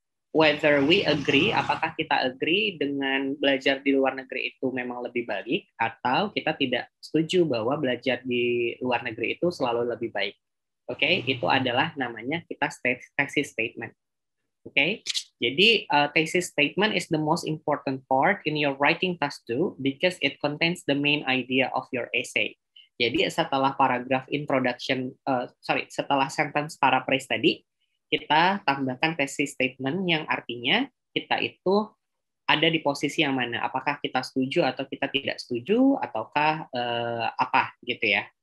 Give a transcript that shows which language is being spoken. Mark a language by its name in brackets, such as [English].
[English] Whether we agree, [Indonesian] apakah kita agree dengan belajar di luar negeri itu memang lebih baik, atau kita tidak setuju bahwa belajar di luar negeri itu selalu lebih baik. Okay? Itu adalah namanya kita thesis statement. Okay? Jadi, [English] thesis statement is the most important part in your writing task 2 because it contains the main idea of your essay. [Indonesian] Jadi, setelah paragraf introduction, setelah sentence paraphrase tadi, kita tambahkan thesis statement yang artinya kita itu ada di posisi yang mana. Apakah kita setuju atau kita tidak setuju, ataukah apa gitu ya.